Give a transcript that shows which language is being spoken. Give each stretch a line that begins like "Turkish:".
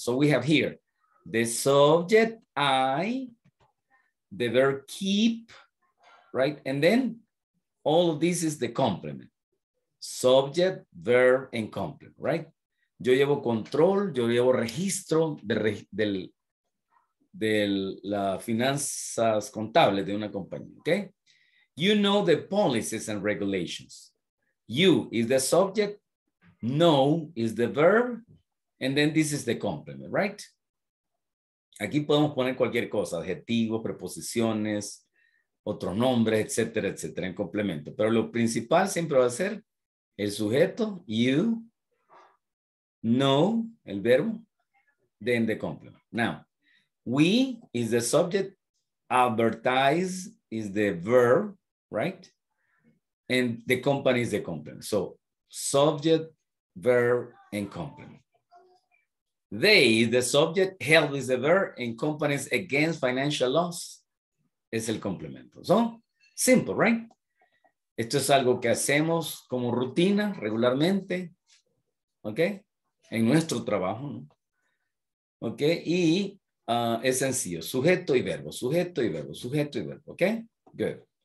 English: So we have here the subject, I, the verb keep, right? And then all of this is the complement. Subject, verb, and complement, right?
Spanish: yo llevo control, yo llevo registro de las finanzas contables de una compañía, ¿okay?
English: You know the policies and regulations. You is the subject, know is the verb, and then this is the complement, right?
Spanish: Aquí podemos poner cualquier cosa, adjetivos, preposiciones, otros nombres, etcétera, etcétera, en complemento. Pero lo principal siempre va a ser el sujeto, you, know, el verbo, then the complement.
English: Now, we is the subject, advertise is the verb, right? And the company is the complement. So, subject, verb, and complement. They is the subject, held is the verb, and companies against financial loss es el complemento. So, simple, right?
Spanish: Esto es algo que hacemos como rutina regularmente, ¿ok? En nuestro trabajo, ¿no? ¿Ok? Y es sencillo, sujeto y verbo, sujeto y verbo, sujeto y verbo, ¿ok? Good.